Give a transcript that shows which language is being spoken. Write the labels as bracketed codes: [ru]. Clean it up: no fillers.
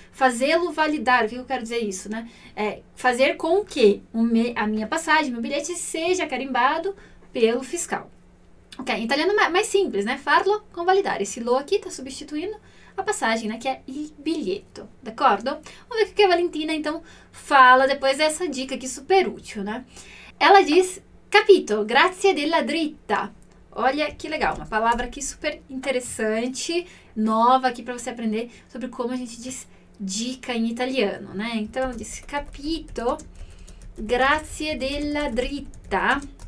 [pt] Fazê-lo validar, o que eu quero dizer isso, né? É fazer com que a minha passagem, meu bilhete, seja carimbado pelo fiscal. Ok, em italiano é mais simples, né? [it] Farlo convalidare. [pt] Esse lo aqui está substituindo a passagem, né, que é [it] il biglietto, d'accordo? [pt] Vamos ver o que a Valentina, então, fala depois dessa dica aqui super útil, né? Ela diz, [it] capito, grazie della dritta. [pt] Olha que legal, uma palavra aqui super interessante, nova aqui para você aprender sobre como a gente diz dica em italiano, né? Então, ela diz, [it] capito, grazie della dritta.